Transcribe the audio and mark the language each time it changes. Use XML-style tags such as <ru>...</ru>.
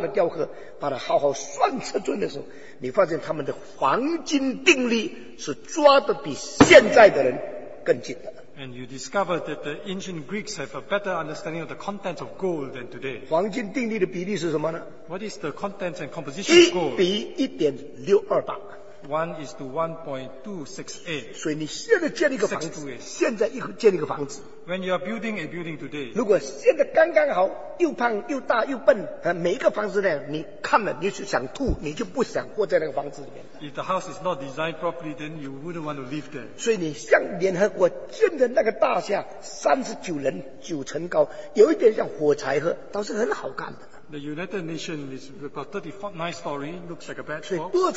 <zh>当你现在把希腊最伟大的雕刻把它好好算测准的时候, 你发现他们的黄金定律是抓得比现在的人更紧的。</zh> <en>And you discover that the ancient Greeks have a better understanding of the content of gold than today.</en> <zh>黄金定律的比例是什么呢?</zh> <en>What is the content and composition of gold? 1:1.628. 1 is to 1.268.</en> <zh>所以你现在建一个房子,</zh> <en>when you are building a building today,</en> <zh>如果现在刚刚好, 又胖又大又笨, 每一个房子呢, 你看了, 你就想吐, 你就不想活在那个房子里面。</zh> <en>If the house is not designed properly, then you wouldn't want to live there.</en> <zh>所以你像联合国建的那个大厦, 39人, 9层高, 有一点像火柴盒, 倒是很好看的。</zh> <en>The United Nations is about 39 stories, looks like a bad job.</en>